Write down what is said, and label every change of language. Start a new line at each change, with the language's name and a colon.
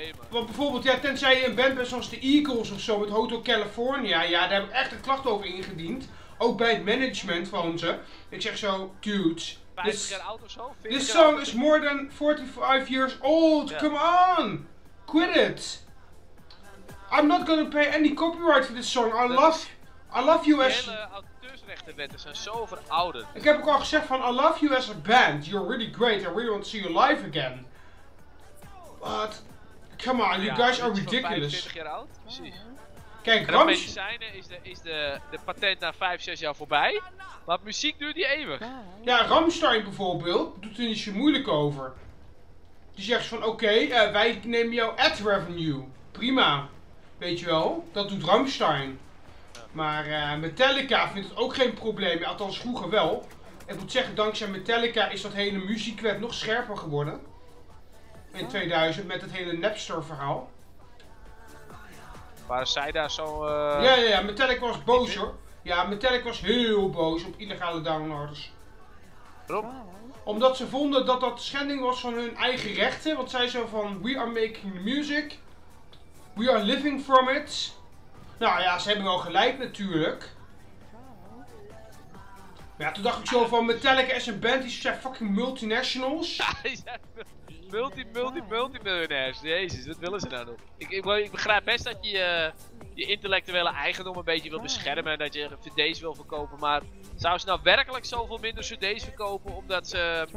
Dutch: Want bijvoorbeeld, ja, tenzij je een band bent zoals de Eagles of zo, met Hotel California, ja, daar heb ik echt een klacht over ingediend. Ook bij het management van ze. Ik zeg zo, dude. 50 jaar oud of zo?
English: This song is more than 45 years old, yeah. Come on! Quit it! I'm not gonna pay any copyright for this song, I love you
Dutch: die
English: as...
Dutch: Die hele auteursrechtenwetten zijn zo verouderd. Ik heb ook al gezegd van,
English: I love you as a band. You're really great, I really want to see you live again. But, come on, you guys are ridiculous.
Dutch: 25 jaar oud, precies. Kijk, en Rams... En medicijnen is de patent na 5, 6 jaar voorbij. Maar muziek duurt die eeuwig. Ja, Rammstein bijvoorbeeld doet er niet zo moeilijk over. Die zegt van, oké, wij nemen jouw ad revenue. Prima, weet je wel, dat doet Rammstein. Maar Metallica vindt het ook geen probleem, althans vroeger wel. Ik moet zeggen, dankzij Metallica is dat hele muziekwet nog scherper geworden. In 2000, met het hele Napster verhaal. Waren zij daar zo... Ja, Metallica was boos hoor. Ja, Metallica was heel boos op illegale downloaders. Waarom? Omdat ze vonden dat schending was van hun eigen rechten. Want zij zo van,
English: we are making the music. We are living from it.
Dutch: Nou ja, ze hebben wel gelijk natuurlijk. Ja, toen dacht ik zo van Metallica is een band, die zijn fucking multinationals. Ja, die zijn multimiljonairs. Jezus, wat willen ze nou doen? Ik begrijp best dat je je intellectuele eigendom een beetje wil beschermen en dat je cd's wil verkopen, maar zouden ze nou werkelijk zoveel minder cd's verkopen omdat ze...